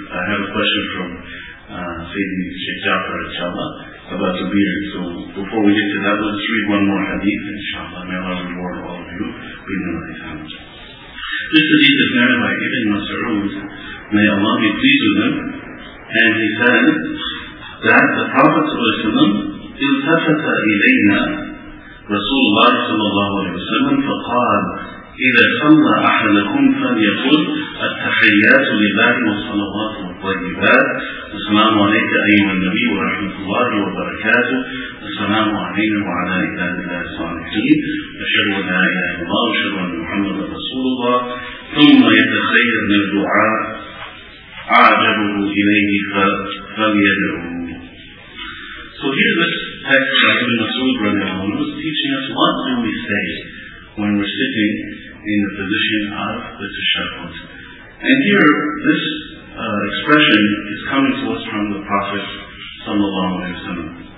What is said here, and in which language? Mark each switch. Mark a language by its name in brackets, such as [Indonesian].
[English] I have a question from Sayyidina Sheikh Jafar, inshallah, about the beard. So before we get to that, let's read one more hadith, inshallah. May Allah reward all of you. We know that he's this hadith is narrated by Ibn Mas'ud. May Allah be pleased with him. And he said that the Prophet [Arabic] iltafata ilayna Rasulullah sallallahu alayhi wa sallam faqad إِذَا صَلَّى أَحَدَكُمْ فَلْيَقُلْ التَّحِيَّاتُ لِلَّهِ وَالصَّلَوَاتُ وَالطَّيِّبَاتُ السلام عليك أيها النبي ورحمة الله وبركاته السلام علينا وعلى عباد الله الصالحين أشهد أن لا إله إلا الله وأشهد أن محمدا رسول الله ثم يتخير من الدعاء أعجبه إليه فليدعوه. [English] So here's this text by Ibn Mas'ud radiallahu anhu teaching us what do we say when we're sitting in the position of the tashahhud. And here, this expression is coming to us from the Prophet sallallahu alayhi wa sallam.